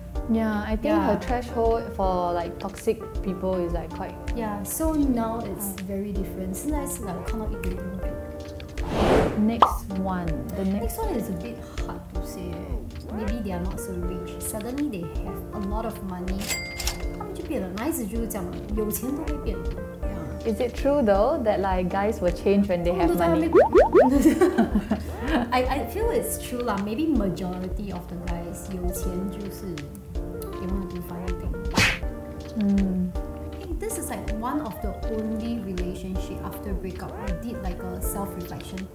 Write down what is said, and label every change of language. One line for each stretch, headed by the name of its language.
English: Yeah, I think her threshold for, like, toxic people is, like, quite... Yeah, so now it's very different. Sometimes, like, cannot eat the limit. Next one. The next one is a bit hard to say. Maybe they are not so rich. Suddenly they have a lot of money.
Chinese: 他们就变了，男孩子就是这样，有钱都会变。
English: Is it true though that, like, guys will change when they have money? I feel it's true lah. Maybe majority of the guys
Chinese: 有钱就是
English: they want to do funny thing. This is, like, one of the only relationships after breakup I did, like, a self-reflection.